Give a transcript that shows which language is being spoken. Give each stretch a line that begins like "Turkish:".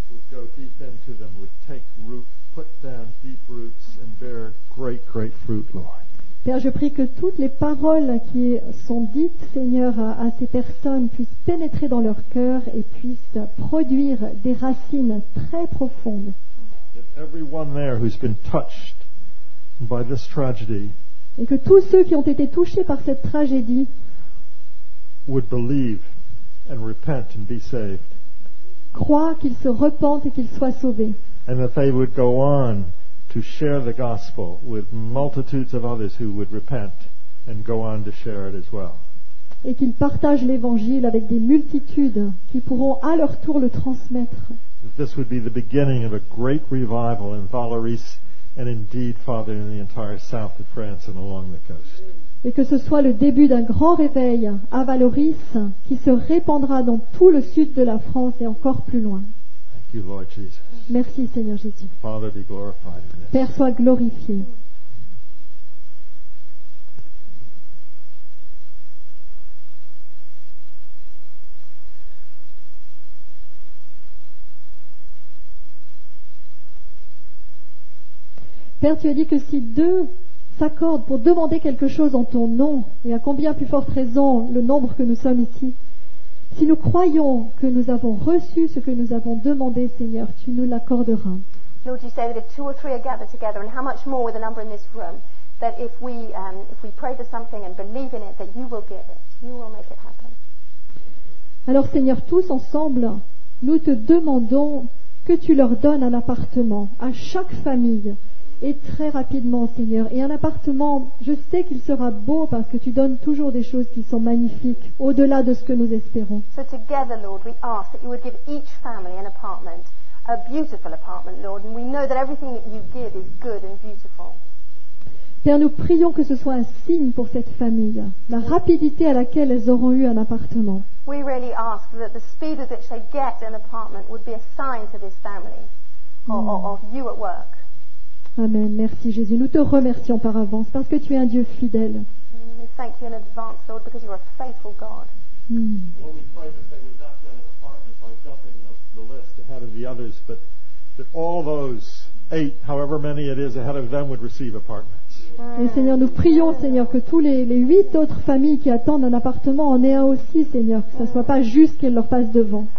English: attend to them would take root, put down deep roots and bear great, great fruit, Lord.
French: Père, je prie que toutes les paroles qui sont dites, Seigneur, à ces personnes puissent pénétrer dans leur cœur et puissent produire des racines très profondes.
English: That everyone there who's been touched by this tragedy,
French: et que tous ceux qui ont été touchés par cette tragédie
English: would believe and repent and be saved.
French: Croient qu'ils se repentent et qu'ils soient sauvés.
English: And that they would go on to share the gospel with multitudes of others who would repent and go on to share it as well.
French: Et qu'ils partagent l'évangile avec des multitudes qui pourront à leur tour le transmettre.
English: This would be the beginning of a great revival in Valaris and indeed, Father, in the entire south of France and along the coast.
French: Et que ce soit le début d'un grand réveil à Valaris qui se répandra dans tout le sud de la France et encore plus loin.
English: Thank you, Lord Jesus.
French: Merci, Seigneur Jésus.
English: Father, be glorified in this.
French: Père, sois glorifié. Père, tu as dit que si deux s'accordent pour demander quelque chose en ton nom, et à combien plus forte raison le nombre que nous sommes ici, si nous croyons que nous avons reçu ce que nous avons demandé, Seigneur, tu nous l'accorderas.
English: Lord, you say that if two or three are gathered together, and how much more with a number in this room, that if we pray for something and believe in it, that you will give it, you will make it happen.
French: Alors, Seigneur, tous ensemble, nous te demandons que tu leur donnes un appartement à chaque famille. Et très rapidement, Seigneur. Et un appartement, je sais qu'il sera beau parce que tu donnes toujours des choses qui sont magnifiques au-delà de ce que nous espérons.
English: So together, Lord, we ask that you would give each family an apartment, a beautiful apartment, Lord, and we know that everything that you give is good and beautiful.
French: Père, nous prions que ce soit un signe pour cette famille, la rapidité à laquelle elles auront eu un appartement.
English: We really ask that the speed at which they get an apartment would be a sign to this family, of you at work.
French: Amen. Merci Jésus. Nous te remercions par avance parce que tu es un Dieu fidèle.
English: Thank you in advance, Lord, because you are a faithful God. Well, we pray that they would not get an apartment by jumping the list ahead of the others, but that all those eight, however many it is ahead of them, would receive apartments.
French: Et Seigneur, nous prions, Seigneur, que tous les huit autres familles qui attendent un appartement en aient un aussi, Seigneur, que ça ne soit pas juste qu'elles leur passent devant.